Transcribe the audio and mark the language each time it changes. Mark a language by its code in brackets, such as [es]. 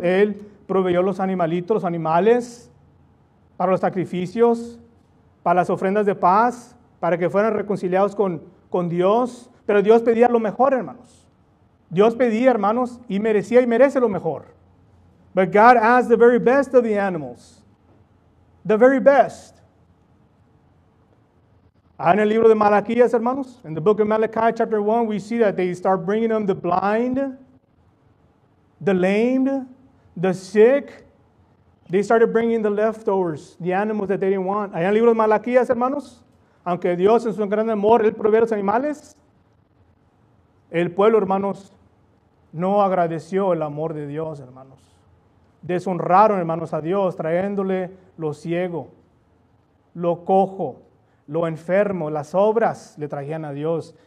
[es] Él proveyó los animalitos, los animales, para los sacrificios, para las ofrendas de paz, para que fueran reconciliados con Dios. Pero Dios pedía lo mejor, hermanos. Dios pedía, hermanos, y merecía y merece lo mejor. [en] But God asked the very best of the animals. The very best. [es] En el libro de Malaquías, hermanos, [en] in the book of Malachi, chapter 1, we see that they start bringing them the blind, the lamed, the sick. They started bringing the leftovers, the animals that they didn't want. [es] Allá en el libro de Malaquías, hermanos, aunque Dios en su gran amor, Él provee los animales, el pueblo, hermanos, no agradeció el amor de Dios, hermanos. Deshonraron, hermanos, a Dios, trayéndole lo ciego, lo cojo, lo enfermo, las obras le traían a Dios.